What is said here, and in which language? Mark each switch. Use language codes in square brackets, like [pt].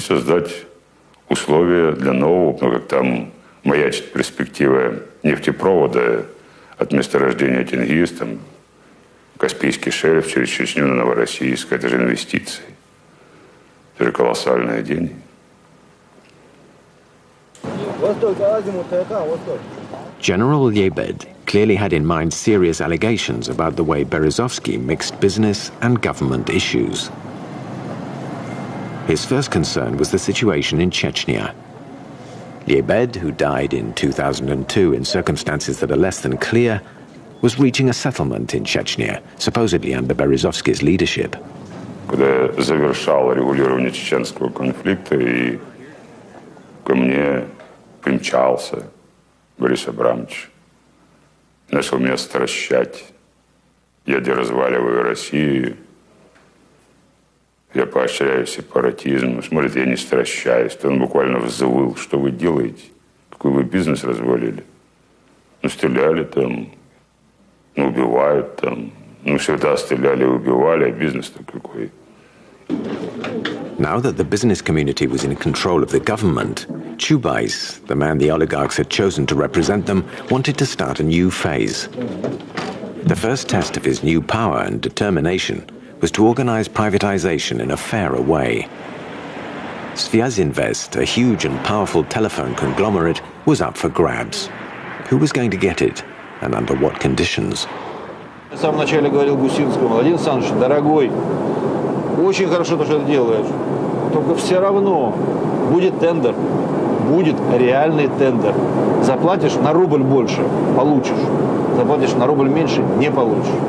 [ru] создать условия для нового, но как там маячит перспектива нефтепровода от месторождения Тенгиз, там Каспийский шельф через Чечню на Новороссийск. Это же инвестиции. Это же колоссальные деньги. [en] General Yebed clearly had in mind serious allegations about the way Berezovsky mixed business and government issues. His first concern was the situation in Chechnya. Yebed, who died in 2002 in circumstances that are less than clear, was reaching a settlement in Chechnya, supposedly under Berezovsky's leadership. [ru] Когда я завершал регулирование чеченского конфликта, и ко мне примчался Борис Абрамович, начал меня стращать. Я деразваливаю Россию. Я поощряю сепаратизм. Смотрите, я не стращаюсь. То он буквально взвыл. Что вы делаете? Какой вы бизнес развалили? Ну, стреляли там. Ну, убивают там. Ну, всегда стреляли и убивали. А бизнес-то какой? [en] Now that the business community was in control of the government, Чубайс, the man the oligarchs had chosen to represent them, wanted to start a new phase. The first test of his new power and determination was to organize privatization in a fairer way. Sviazinvest, a huge and powerful telephone conglomerate, was up for grabs. Who was going to get it, and under what conditions? [ru] В самом начале говорил Гусинскому, Владимир Александрович, дорогой, очень хорошо то, что ты делаешь. Только все равно будет тендер. Будет реальный тендер. Заплатишь на рубль больше – получишь. Заплатишь на рубль меньше – не получишь.